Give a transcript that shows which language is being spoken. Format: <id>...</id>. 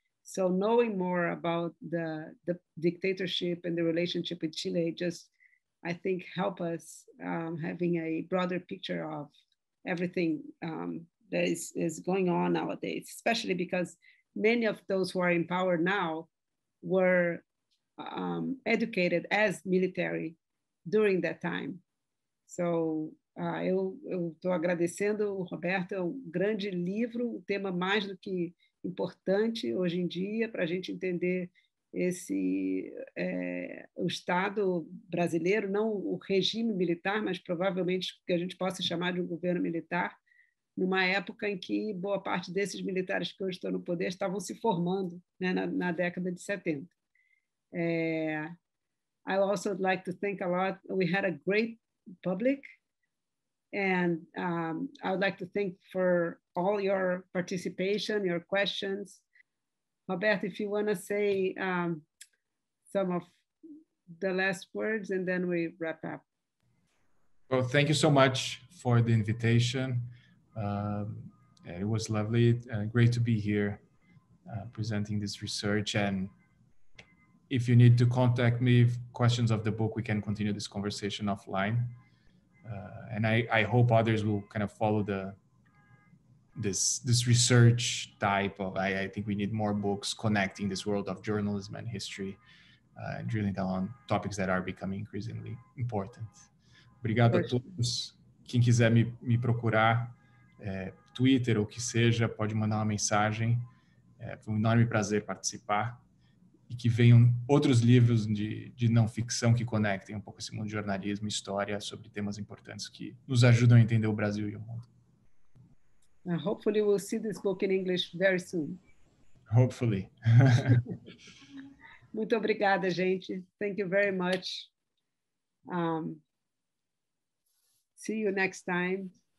<en>So knowing more about the dictatorship and the relationship with Chile just, I think, help us having a broader picture of everything that is going on nowadays, especially because many of those who are in power now were educated as military during that time.</en> <pt>So, eu estou agradecendo, Roberto, é um grande livro, um tema mais do que importante hoje em dia para a gente entender esse o Estado brasileiro, não o regime militar, mas provavelmente o que a gente possa chamar de um governo militar, numa época em que boa parte desses militares que hoje estão no poder estavam se formando, né, na década de 70.</pt> <en>I also would like to thank a lot. We had a great public, and I would like to thank for all your participation, your questions. Roberto, if you want to say some of the last words, and then we wrap up. Well, thank you so much for the invitation. It was lovely and great to be here presenting this research. And if you need to contact me with questions of the book, we can continue this conversation offline. And I hope others will kind of follow this research type of, I think we need more books connecting this world of journalism and history, and drilling down on topics that are becoming increasingly important.</en> <pt>Obrigado a todos. Quem quiser me procurar, Twitter ou que seja, pode mandar uma mensagem. Foi um enorme prazer participar. E que venham outros livros de não-ficção que conectem um pouco esse mundo de jornalismo e história sobre temas importantes que nos ajudam a entender o Brasil e o mundo.</pt> <en>Hopefully we'll see this book in English very soon. Hopefully.</en> <pt>Muito obrigada, gente.</pt> <en>Thank you very much. See you next time.</en>